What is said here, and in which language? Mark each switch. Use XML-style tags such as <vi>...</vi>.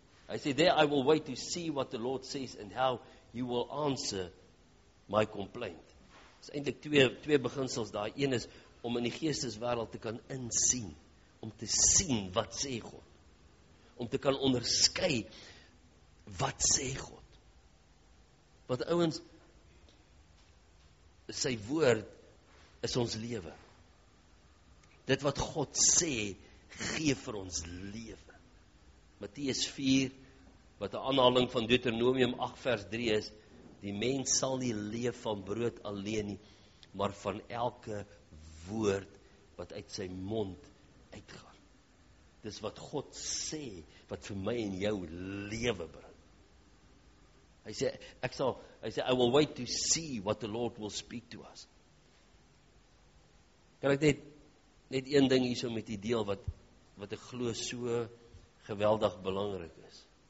<af>Hy sê,</af> <en>there I will wait to see what the Lord says and how you will answer my complaint.</en> <af>Dit is eintlik twee beginsels daar. Een is om in die geesteswêreld te kan insien. Om te sien wat sê God. Om te kan onderskei wat sê God. Wat ouens, sy woord is ons lewe. Dit wat God sê, gee vir ons lewe. Matteus 4, wat 'n aanhaling van Deuteronomium 8 vers 3 is, die mens sal nie leef van brood alleen nie, maar van elke woord wat uit sy mond uitgaan. Dis wat God sê, wat vir my en jou lewe bring. Hy sê,</af> <en>I will wait to see what the Lord will speak to us.</en> <af>Kan ek net een ding hierso met die deel wat ek glo so geweldig belangrik is.</af>